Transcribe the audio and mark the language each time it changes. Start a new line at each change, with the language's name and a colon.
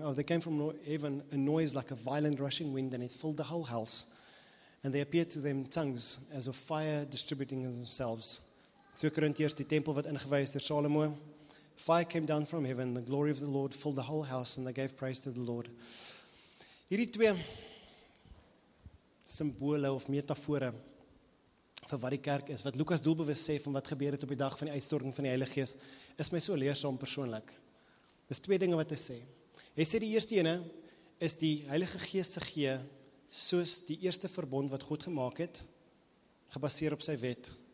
English: Oh, they came from heaven, a noise like a violent rushing wind, and it filled the whole house. And they appeared to them tongues as of fire distributing themselves.
Afrikaans: 2 Korintiërs, die tempel wat ingewys deur Salomo.
English: Fire came down from heaven, the glory of the Lord filled the whole house, and they gave praise to the Lord.
Afrikaans: Hierdie twee simbole of metafore vir wat die kerk is, wat Lukas doelbewus sê van wat gebeur het op die dag van die uitstorting van die Heilige Gees, is my so leersaam persoonlik. Dis twee dinge wat hy sê. Hy sê die eerste ene is die Heilige Gees se gee soos die eerste verbond wat God gemaak het, gebaseer op sy wet.